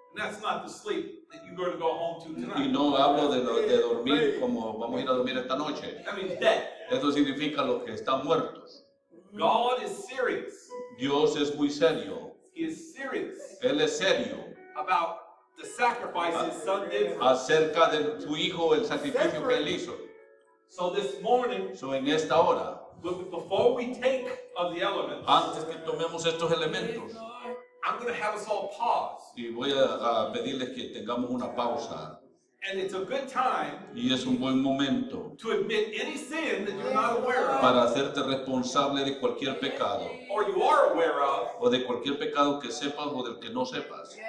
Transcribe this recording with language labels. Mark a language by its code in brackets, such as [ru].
[en] That's not the sleep that you're going to go home to tonight. [es] Y no hablo de dormir como vamos a ir a dormir esta noche. [en] That means death. [es] Esto significa los que están muertos. [en] God is serious. [es] Dios es muy serio. [en] He is serious. [es] Él es serio. [en] About the sacrifice his son did for. [es] Acerca de su hijo el sacrificio que él hizo. [en] So this morning. [es] So en esta hora. [en] Before we take of the elements. [es] Antes que tomemos estos elementos. [en] I'm going to have us all pause. [es] Y voy a pedirles que tengamos una pausa. [en] And it's a good time. [es] Y es un buen momento. [en] To admit any sin that you're not aware of. [es] Para hacerte responsable de cualquier pecado. [en] Or you are aware of. [es] O de cualquier pecado que sepas o del que no sepas.